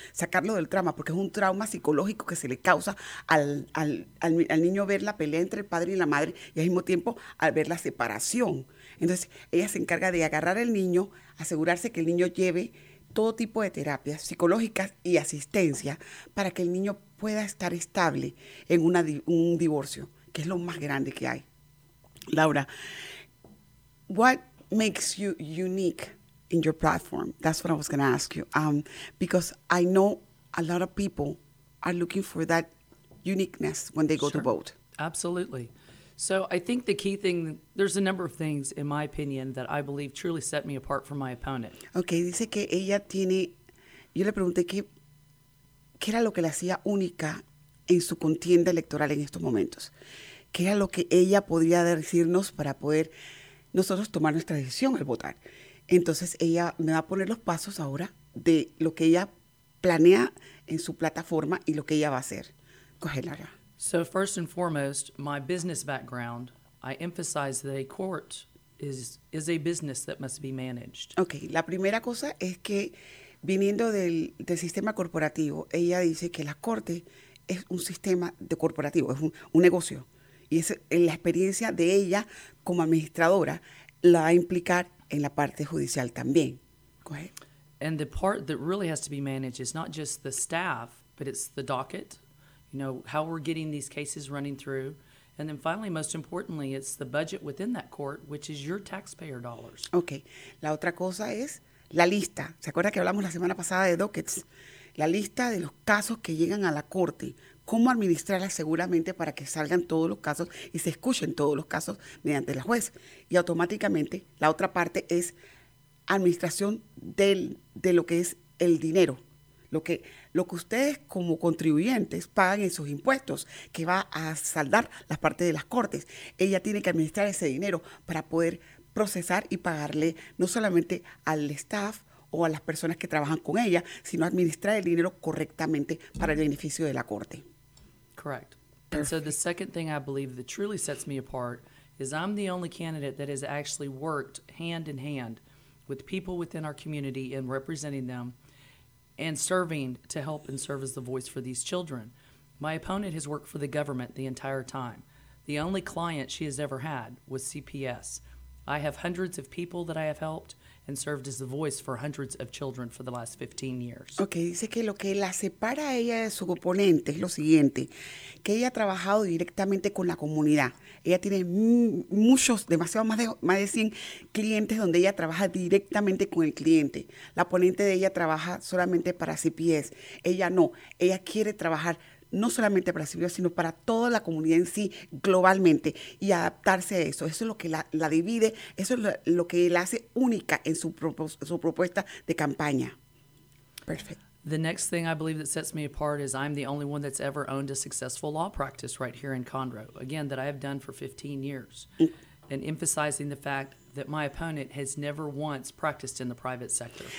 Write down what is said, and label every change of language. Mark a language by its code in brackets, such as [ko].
[es] Sacarlo del trauma, porque es un trauma psicológico que se le causa al niño ver la pelea entre el padre y la madre y al mismo tiempo al ver la separación. Entonces, ella se encarga de agarrar al niño, asegurarse que el niño lleve todo tipo de terapias psicológicas y asistencia para que el niño pueda estar estable en un divorcio, que es lo más grande que hay. [en] Laura, what makes you unique in your platform? That's what I was going to ask you. Because I know a lot of people are looking for that uniqueness when they go sure. to vote. Absolutely. So I think the key thing, there's a number of things, in my opinion, that I believe truly set me apart from my opponent. [es] Okay, dice que ella tiene, yo le pregunté qué era lo que la hacía única en su contienda electoral en estos momentos. Qué era lo que ella podría decirnos para poder nosotros tomar nuestra decisión al votar. Entonces ella me va a poner los pasos ahora de lo que ella planea en su plataforma y lo que ella va a hacer. Coge Lara. [en] So first and foremost, my business background, I emphasize that a court is a business that must be managed. [es] Okay, la primera cosa es que viniendo del sistema corporativo, ella dice que la corte es un sistema de corporativo, es un negocio. Y es la experiencia de ella como administradora la va a implicar en la parte judicial también. [en] Go ahead. And the part that really has to be managed is not just the staff, but it's the docket, you know, how we're getting these cases running through. And then finally, most importantly, it's the budget within that court, which is your taxpayer dollars. [es] Okay. La otra cosa es la lista. ¿Se acuerda que hablamos la semana pasada de dockets? La lista de los casos que llegan a la corte. ¿Cómo administrarla seguramente para que salgan todos los casos y se escuchen todos los casos mediante la juez? Y automáticamente, la otra parte es administración de lo que es el dinero. Lo que ustedes como contribuyentes pagan en sus impuestos, que va a saldar las partes de las cortes. Ella tiene que administrar ese dinero para poder procesar y pagarle no solamente al staff o a las personas que trabajan con ella, sino administrar el dinero correctamente para el beneficio de la corte. [en] Correct. Perfect. And so the second thing I believe that truly sets me apart is I'm the only candidate that has actually worked hand in hand with people within our community and representing them and serving to help and serve as the voice for these children. My opponent has worked for the government the entire time. The only client she has ever had was CPS. I have hundreds of people that I have helped and served as the voice for hundreds of children for the last 15 years. [es] Okay, dice que lo que la separa a ella de su oponente es lo siguiente, que ella ha trabajado directamente con la comunidad. Ella tiene muchos, demasiado más de 100 clientes donde ella trabaja directamente con el cliente. La oponente de ella trabaja solamente para CPS. Ella no, ella quiere trabajar no solamente para CPS, sino para toda la comunidad en sí, globalmente, y adaptarse a eso. Eso es lo que la divide, eso es lo que la hace única en su propuesta de campaña. [en] Perfect. The next thing I believe that sets me apart is I'm the only one that's ever owned a successful law practice right here in Conroe, again, that I have done for 15 years, and emphasizing the fact that my opponent has never once practiced in the private sector.